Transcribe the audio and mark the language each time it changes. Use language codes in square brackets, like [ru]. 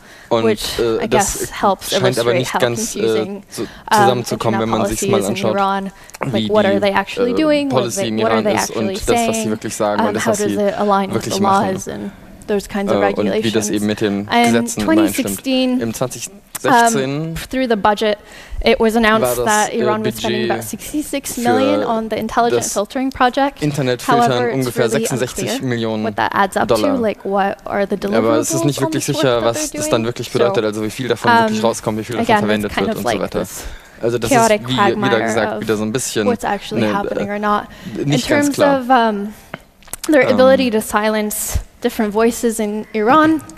[de] Und das scheint aber nicht ganz zusammenzukommen, wenn man sich mal anschaut, wie die Policy im Iran ist und das, was sie wirklich sagen und das, was sie wirklich machen. Und wie das eben mit den Gesetzen übereinstimmt. Im 2016 [en] through the budget, it was announced that Iran was spending about 66 million on the intelligent filtering project. [de] Internetfiltern ungefähr 66 Millionen Dollar. Aber es ist nicht wirklich sicher, was das dann wirklich bedeutet, also wie viel davon wirklich rauskommt, wie viel davon verwendet wird und so weiter. Also das ist, wie wieder gesagt, wieder so ein bisschen nicht ganz klar. [en] In terms of their ability to silence different voices in Iran,